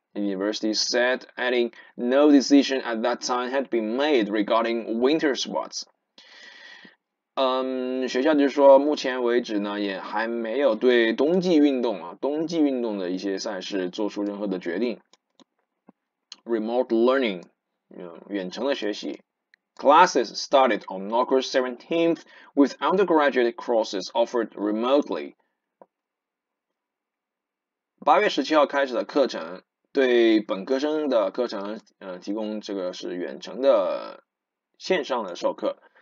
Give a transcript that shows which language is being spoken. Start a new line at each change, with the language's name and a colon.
English: University said, adding, no decision at that time had been made regarding winter sports.
Chinese: 学校就是说目前为止呢也还没有对冬季运动啊冬季运动的一些赛事做出任何的决定。
English: Remote learning,
Chinese: 远程的学习。
English: Classes started on August 17th with undergraduate courses offered remotely.
Chinese: 8月17号开始的课程。对本科生的课程提供这个是远程的线上的授课。